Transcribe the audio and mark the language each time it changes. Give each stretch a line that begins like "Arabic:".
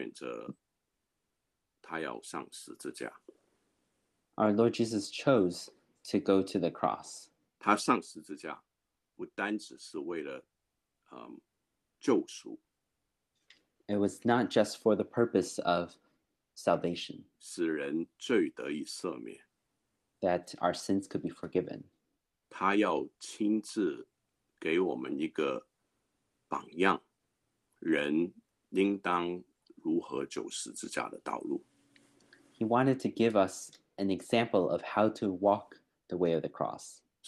Chinese: 主耶稣选择他要上十字架。
English: Our Lord Jesus chose to go to the cross.
Chinese: 他上十字架不单只是为了救赎。
English: It was not just for the purpose of salvation.
Chinese: 使人罪得以赦免。
English: That our sins could be forgiven.
Chinese: 他要亲自给我们一个榜样, 人应当如何走十字架的道路。
English: He wanted to give us an example of how to walk the way of the cross.